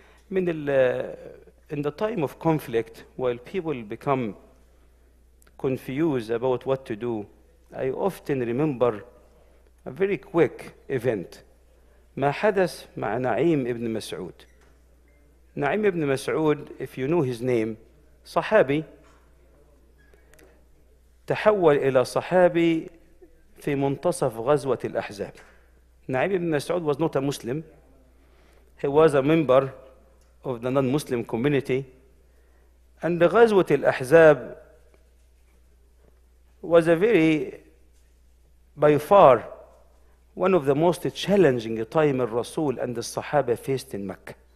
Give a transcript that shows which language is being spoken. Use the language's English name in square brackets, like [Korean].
[English] In the time of conflict, while people become confused about what to do, I often remember a very quick event. [Arabic] ما حدث مع نعيم ابن مسعود. نعيم ابن مسعود, [English] if you know his name, [Arabic] صحابي تحول إلى صحابي في منتصف غزوة الأحزاب. [English] نعيم ابن مسعود was not a Muslim. He was a member of the non-Muslim community. And غزوة الأحزاب was a very, by far, one of the most challenging time الرسول and the Sahaba faced in Mecca.